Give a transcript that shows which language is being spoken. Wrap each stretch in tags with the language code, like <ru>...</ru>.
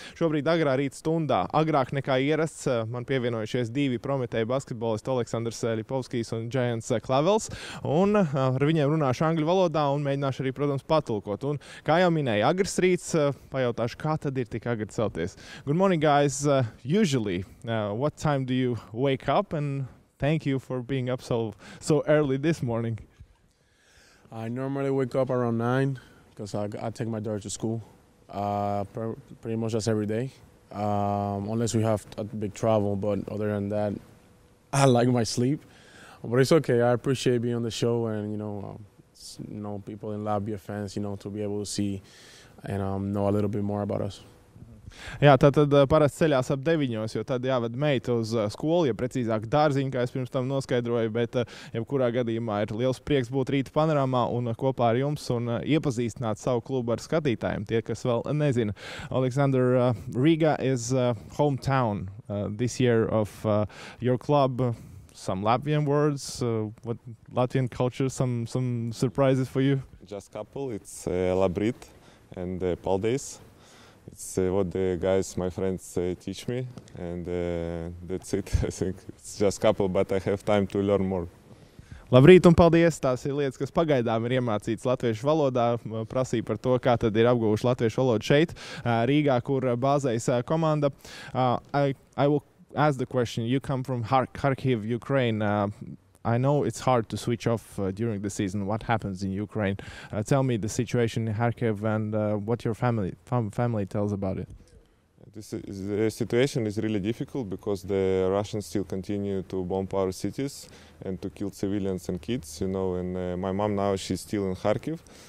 <lv>Šobrīd agrā rīta stundā, agrāk nekā ierasts, man pievienojušies divi Prometey basketbolisti Aleksandrs Ļipovskijs un Giants Klavels, un ar viņiem runāšu angļu valodā un mēģināšu arī, protams, patulkot. Un, kā jau minēju, agrs rīts, pajautāšu, kā tad ir tik agri celties.</lv> <en>Good morning, guys. Usually, what time do you wake up? And thank you for being up so early this morning. I normally wake up around 9, because I take my daughter to school pretty much just every day. Unless we have a big travel, but other than that, I like my sleep. But it's okay. I appreciate being on the show and, you know, people in Latvia fans, you know, to be able to see and know a little bit more about us.</en> <lv>Jā, tad parasti ceļās ap 9:00, jo tad jāved meitu uz skolu, ja precīzāk dārziņu, kā es pirms tam noskaidroju, bet jebkurā gadījumā ir liels prieks būt rīta panorāmā un kopā ar jums un iepazīstināt savu klubu ar skatītājiem, tie, kas vēl nezina.</lv> <en>Alexander, Riga is hometown this year of your club. Some Latvian words, what Latvian culture, some surprises for you? Just couple, it's labrīt. And paldies, it's what the guys, my friends, teach me, and that's it, I think. It's just a couple, but I have time to learn more.</en> <lv>Labrīt un paldies! Tās ir lietas, kas pagaidām ir iemācītas latviešu valodā. Prasīja par to, kā tad ir apgūvuši latviešu valodu šeit, Rīgā, kur bāzējas komanda.</lv> <en>I will ask the question. You come from Kharkiv, Ukraine. I know it's hard to switch off during the season. What happens in Ukraine? Tell me the situation in Kharkiv and what your family tells about it. The situation is really difficult because the Russians still continue to bomb our cities and to kill civilians and kids, you know, and my mom now, she's still in Kharkiv.</en>